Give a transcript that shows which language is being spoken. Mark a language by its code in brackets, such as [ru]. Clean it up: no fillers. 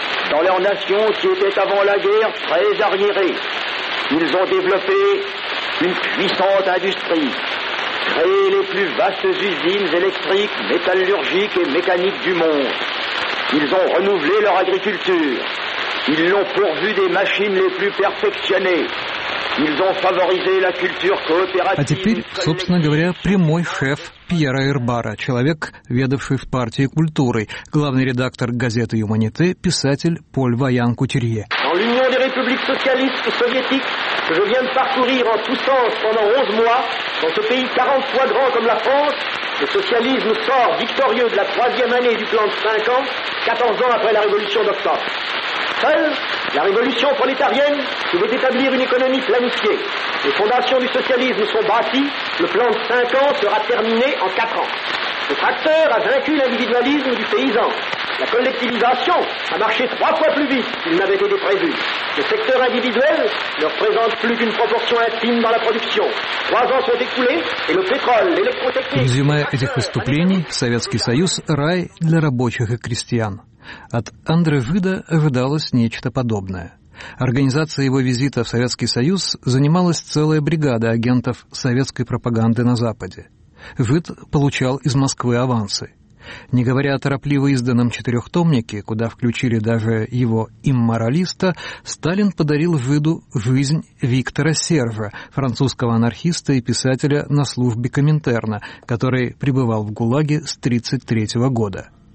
[fr] Dans leur nation qui était avant la guerre très arriérée, ils ont développé une puissante industrie, créer les plus vastes usines électriques, métallurgiques et mécaniques du monde. Ils ont renouvelé leur agriculture. Ils l'ont pourvu des machines les plus perfectionnées. Ils ont favorisé la culture coopérative. [ru] А теперь, собственно говоря, прямой шеф Пьера Эрбара, человек, ведавший в партии культурой, главный редактор газеты «Юманите», писатель Поль Ваян-Кутюрье. [fr] Dans l'Union des Républiques Socialistes et Soviétiques, que je viens de parcourir en tous sens pendant 11 mois, dans ce pays 40 fois grand comme la France, le socialisme sort victorieux de la troisième année du plan de 5 ans, 14 ans après la révolution d'octobre. Seule, la révolution prolétarienne qui veut établir une économie planifiée. Les fondations du socialisme sont bâties, le plan de 5 ans sera terminé en 4 ans. Le tracteur a vaincu l'individualisme du paysan La collectivisation a marché trois fois plus vite qu'il n'avait été prévu. Le secteur individuel ne représente plus qu'une proportion intime dans la production. Trois ans sont écoulés et le pétrole, l'électrotechnique... [ru] В резюме этих выступлений Советский Союз – рай для рабочих и крестьян. От Андре Вида ожидалось нечто подобное. Организация его визита в Советский Союз занималась целая бригада агентов советской пропаганды на Западе. Вид получал из Москвы авансы. Не говоря о торопливо изданном четырехтомнике, куда включили даже его имморалиста, Сталин подарил Виду жизнь Виктора Сержа, французского анархиста и писателя на службе Коминтерна, который пребывал в ГУЛАГе с 1933 года.